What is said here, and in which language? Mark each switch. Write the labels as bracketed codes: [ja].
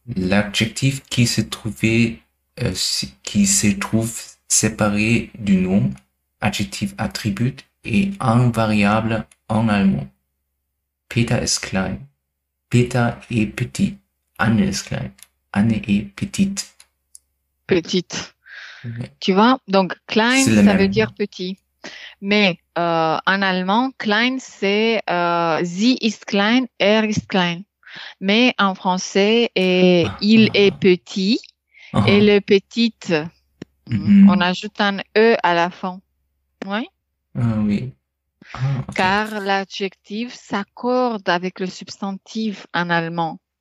[fr] L'adjectif qui se trouvait, qui se trouve séparé du nom, adjectif attribut, est invariable en allemand. [de] Peter ist klein. [fr] Peter est petit. [de] Anne ist klein. [fr] Anne est petite. Petite. Tu vois, donc klein, ça même. Veut dire petit. Mais en allemand, klein, c'est [de] sie ist klein, ist klein. [fr] Mais en français, il est petit et le petit, on ajoute un E à la fin. Oui? Oui. Ah, okay. Car l'adjectif s'accorde avec le substantif en allemand.